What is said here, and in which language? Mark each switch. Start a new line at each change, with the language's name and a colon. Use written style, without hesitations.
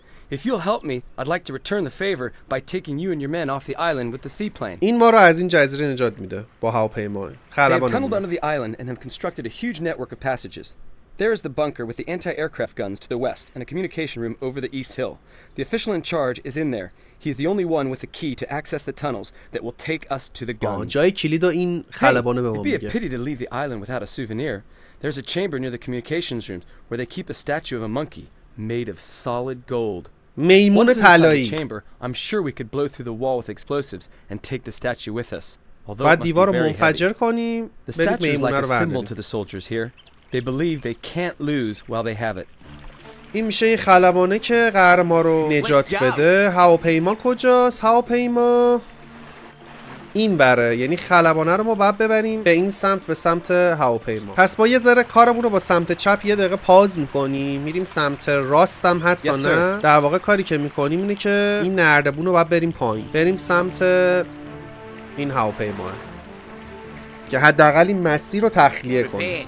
English: If you'll help me, I'd like to return the favor by taking you and your men off the island with the seaplane.
Persian: این ما رو از این جزیره نجات میده با هواپیما. خلبان.
English: They've tunneled under the island and have constructed a huge network of passages. There is the bunker with the anti-aircraft guns to the west and a communication room over the east hill. The official in charge is in there. He's the only one with the key to access the tunnels that will take us to the guns.
Persian: جای کلید و این خلبانه به ما میگه.
English: It'd be a pity to leave the island without a souvenir. There's a chamber near the communications room where they keep a statue of a monkey made of solid gold.
Persian: میمون طلایی.
English: I'm sure we could blow through the wall with explosives and take the statue with us. Although
Persian: بعد دیوارو منفجر کنیم.
English: The statue is like a symbol to the soldiers here. They believe they can't lose while they have it.
Persian: این میشه این خلبانه که قرار ما رو نجات بده. هواپیما کجاست؟ هواپیما این بره، یعنی خلبانه رو ما باید ببریم به این سمت، به سمت هواپیما. پس با یه ذره کارمون رو با سمت چپ یه دقیقه پاز میکنیم، میریم سمت راستم حتی نه، در واقع کاری که میکنیم اینه که این نردبون رو باید بریم پایین، بریم سمت این هواپیما که حداقل این مسیر رو تخلیه کنیم.